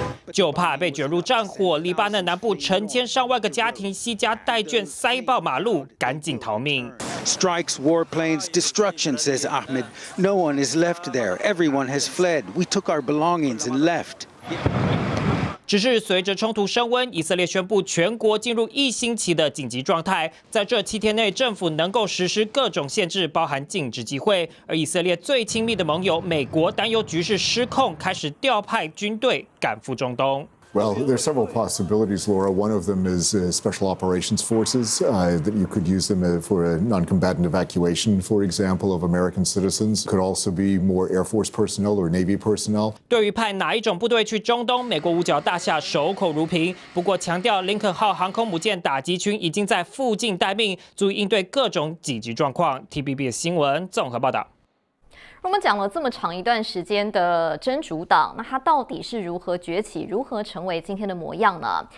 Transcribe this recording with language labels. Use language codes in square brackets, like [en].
[zh] 就怕被卷入战火，黎巴嫩南部成千上万个家庭惜家带眷塞爆马路，赶紧逃命。 [en] Strikes, warplanes, destruction, says Ahmed. No one is left there. Everyone has fled. We took our belongings and left. [zh] 只是随着冲突升温，以色列宣布全国进入一星期的紧急状态，在这七天内，政府能够实施各种限制，包含禁止集会。而以色列最亲密的盟友美国担忧局势失控，开始调派军队赶赴中东。 [en] Well, there are several possibilities, Laura. One of them is special operations forces, that you could use them for a non-combatant evacuation, for example, of American citizens. Could also be more Air Force personnel or Navy personnel. [zh] 对于派哪一种部队去中东，美国五角大厦守口如瓶。不过强调，林肯号航空母舰打击群已经在附近待命，足以应对各种紧急状况。TVBS 新闻综合报道。我们讲了这么长一段时间的真主党，那它到底是如何崛起，如何成为今天的模样呢？